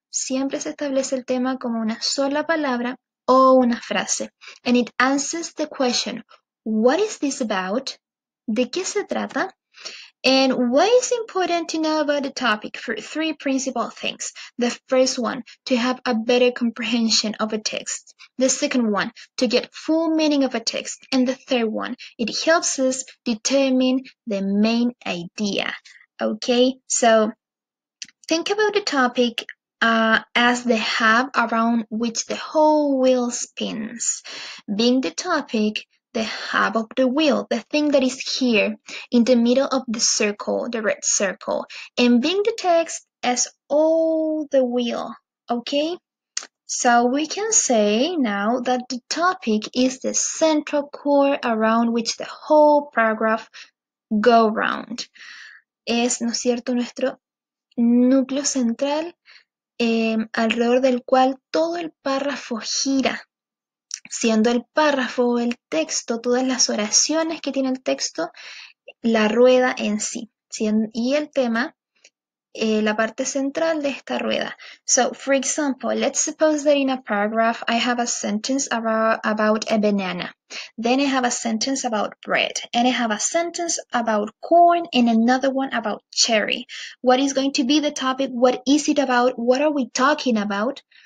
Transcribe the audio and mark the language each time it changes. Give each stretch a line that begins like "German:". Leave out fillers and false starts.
Spanish: Siempre se establece el tema como una sola palabra o una frase.
English: And it answers the question, what is this about?
Spanish: ¿De qué se trata?
English: And what is important to know about the topic for three principal things. The first one, to have a better comprehension of a text. The second one, to get full meaning of a text. And the third one, it helps us determine the main idea. Okay, so think about the topic as the hub around which the whole wheel spins. Being the topic, the hub of the wheel, the thing that is here in the middle of the circle, the red circle, and being the text as all the wheel, okay? So we can say now that the topic is the central core around which the whole paragraph go round.
Spanish: Es, ¿no es cierto?, nuestro núcleo central alrededor del cual todo el párrafo gira, siendo el párrafo, el texto, todas las oraciones que tiene el texto, la rueda en sí, ¿sí? Y el tema, la parte central de esta rueda.
English: So, for example, let's suppose that in a paragraph I have a sentence about a banana. Then I have a sentence about bread. And I have a sentence about corn and another one about cherry. What is going to be the topic? What is it about? What are we talking about?